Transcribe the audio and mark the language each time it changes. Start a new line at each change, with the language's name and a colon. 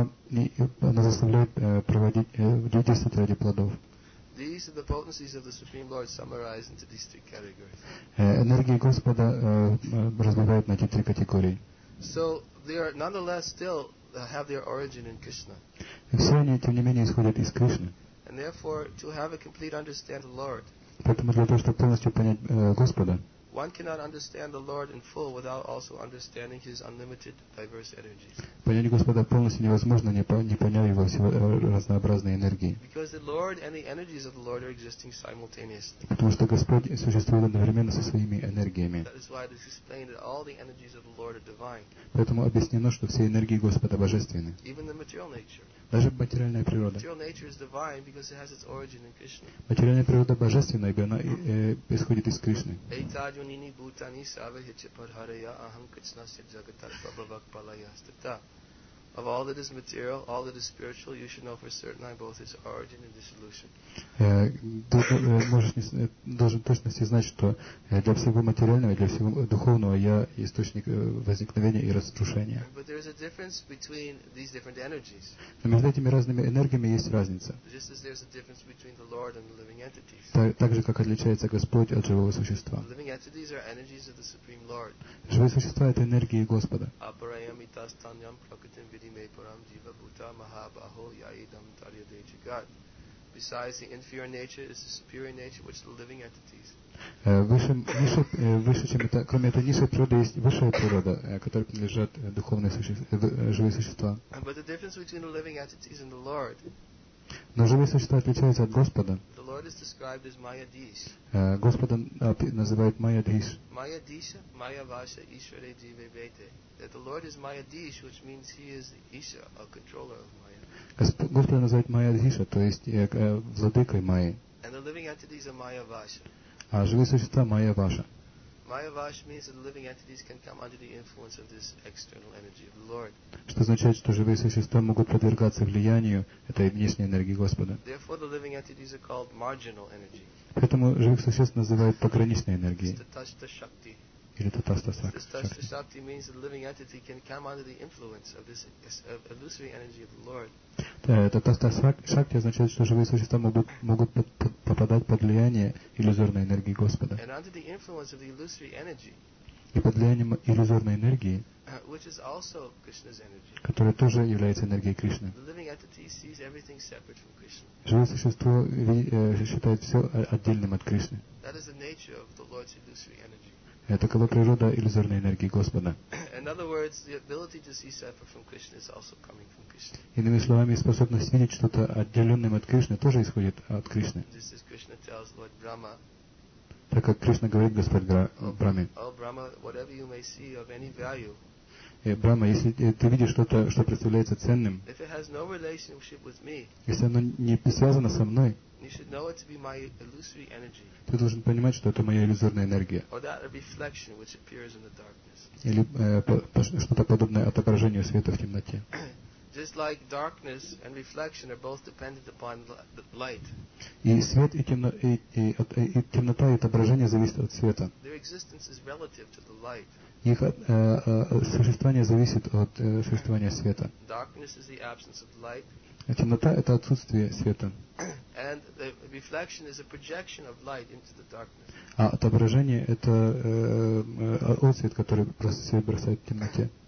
Russian: И она заставляет проводить действия ради плодов.
English: These are the potencies of the Supreme Lord summarized into these three categories.
Russian: Энергии Господа разбивают на эти три категории.
English: So they are nonetheless still have their origin in Krishna.
Russian: И все они, тем не менее, исходят из Кришны.
English: And therefore, to have a complete understanding of the Lord.
Russian: Поэтому для того, чтобы полностью понять Господа.
English: One cannot understand the Lord in full without also understanding His unlimited diverse energies.
Russian: Понять Господа полностью невозможно, не поняв Его разнообразные энергии.
English: Because the Lord and the energies of the Lord are existing simultaneously.
Russian: Потому что Господь существует одновременно со своими энергиями.
English: That is why it is explained that all the energies of the Lord are divine.
Russian: Поэтому объяснено, что все энергии Господа божественны.
English: Even the material nature.
Russian: Даже материальная природа.
English: Material nature is divine because it has its origin in Krishna.
Russian: Материальная природа божественна, ибо она исходит из Кришны.
Sanskrit: Этаджунини бутани савахича падхарая ахам кришнасья джагатат прабхавакпалая стата.
English: Of all that is material, all that is spiritual, you should know for certain I both its origin and dissolution.
Russian: Должен точности знать, что для всего материального, для всего духовного я источник возникновения и разрушения.
English: But there is a difference between these different energies.
Russian: Но между этими разными энергиями есть разница.
English: Just as there's a difference between the Lord and the living entities.
Russian: Так же, как отличается Господь от живого существа.
English: The living entities are energies of the Supreme Lord.
Russian: Живые существа — это энергии Господа.
Sanskrit: Апараямитастаньям пракатим видиме парам дивабута махабахо яидам тарьядейчигат.
English: Besides the inferior nature is the superior nature which the living entities.
Russian: Кроме этой низшей природы есть высшая природа, которой принадлежат духовные существа, живые существа.
English: But the difference between the living entities and the Lord.
Russian: Но живые существа отличаются от Господа.
English: The Lord is described as Mayadish.
Russian: Господа называют Mayadish.
Sanskrit: Mayadisha, Mayavasha, Ishvare Divevete.
English: That the Lord is Mayadish, which means he is Isha, a controller of Maya.
Russian: Господа называют Mayadisha, то есть владыкой Майи.
English: And the living entities are Mayavasha.
Russian: А живые существа — Mayavasha.
English: Mayavasha means that the living entities can come under the influence of this external energy of the Lord.
Russian: Что означает, что живые существа могут подвергаться влиянию этой внешней энергии Господа.
English: Therefore, the living entities are called marginal energy.
Russian: Поэтому живых существ называют пограничной энергией.
Sanskrit: Tathasta shakti.
Russian: Или tathasta shakti.
English: Tathasta shakti means that the living entity can come under the influence of this illusory energy of the Lord.
Russian: Tathasta shakti означает, что живые существа могут попадать под влияние иллюзорной энергии Господа.
English: And under the influence of the illusory energy.
Russian: И под влиянием иллюзорной энергии,
English: which is also Krishna's energy,
Russian: которая тоже является энергией Кришны.
English: The living entity sees everything separate from Krishna.
Russian: Живое существо считает все отдельным от Кришны.
English: That is the nature of the Lord's illusory energy.
Russian: Такова природа иллюзорной энергии Господа.
English: In other words, the ability to see separate from Krishna is also coming from Krishna.
Russian: Иными словами, способность видеть что-то отделенным от Кришны тоже исходит от Кришны.
English: This is Krishna tells Lord Brahma.
Russian: Так как Кришна говорит Господь Брахме.
English: О, Брахма, whatever you may see of any value.
Russian: Брахма, если ты видишь что-то, что представляется ценным,
English: if it has no relationship with me,
Russian: если оно не связано со мной,
English: you should know it to be my illusory energy.
Russian: Ты должен понимать, что это моя иллюзорная энергия.
English: Or that reflection which appears in the darkness.
Russian: Или что-то подобное отображению света в темноте.
English: Just like darkness and reflection are both dependent upon the light.
Russian: И свет, и темнота, и отображение зависит от света.
English: Their existence is relative to the light.
Russian: Их существование зависит от существования света.
English: Darkness is the absence of light.
Russian: А темнота — это отсутствие света.
English: And the reflection is a projection of light into the darkness.
Russian: А отображение — это отсвет, который просто свет бросает в темноте.